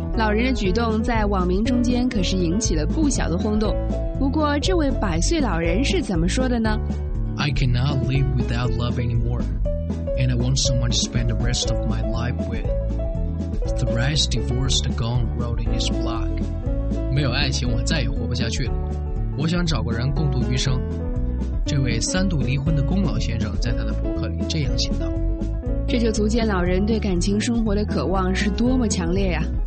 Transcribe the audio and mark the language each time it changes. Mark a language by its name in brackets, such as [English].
[Chinese] 老人的举动在网民中间可是引起了不小的轰动。不过这位百岁老人是怎么说的呢？ [English] I cannot live without love anymore, and I want someone to spend the rest of my life with. Thrice divorced Gong wrote in his blog. [Chinese] 没有爱情我再也活不下去了，我想找个人共度余生。这位三度离婚的龚老先生在他的博客里这样写道。这就足见老人对感情生活的渴望是多么强烈呀。